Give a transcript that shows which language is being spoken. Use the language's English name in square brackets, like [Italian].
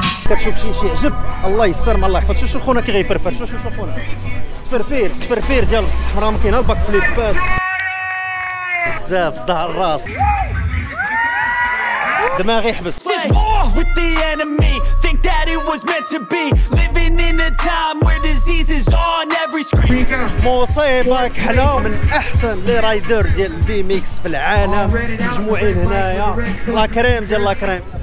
[Arabic] كتشوف شي عجب الله يسر مع الله يحفظ. شوف خونا كي غيفرفر. شوف خونا تفرفير تفرفير ديال الصحراء ما كاين الباك فليبات بزاف صداع الراس دماغي يحبس. [English] With the enemy, think that it was meant to be. Living in a time where disease is on every screen. [Arabic] مصيبة كحلة من أحسن لي رايدر ديال البي ميكس في العالم مجموعين هنايا. لا كريم ديال لا كريم.